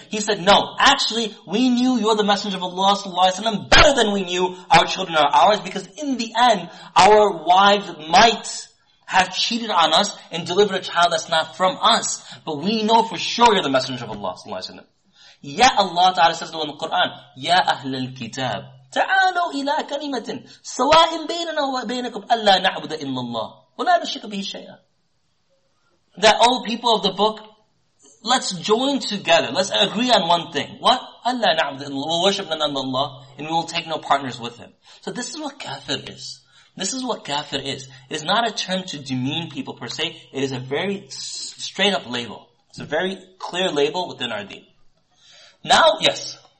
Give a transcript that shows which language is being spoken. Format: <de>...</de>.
<en>He said, no, actually we knew you're the Messenger of Allah sallallahu alayhi wa sallam better than we knew our children are ours, because in the end our wives might have cheated on us and delivered a child that's not from us. But we know for sure you're the Messenger of Allah sallallahu alayhi wa sallam. Ya Allah ta'ala says in the Quran, Ya Ahlul Kitab,</en> <ar>تعالوا إلى كلمة سواء بيننا وبينكم ألا نعبد إلا الله ولا نشرك به شيئا.</ar> <en>That all people of the book, let's join together, let's agree on one thing. What?</en> <ar>ألا نعبد إلا الله.</ar> <en>We'll worship none other than Allah, and we will take no partners with Him. So this is what kafir is. This is what kafir is. It is not a term to demean people per se. It is a very straight up label. It's a very clear label within our deen. Now, yes.</en>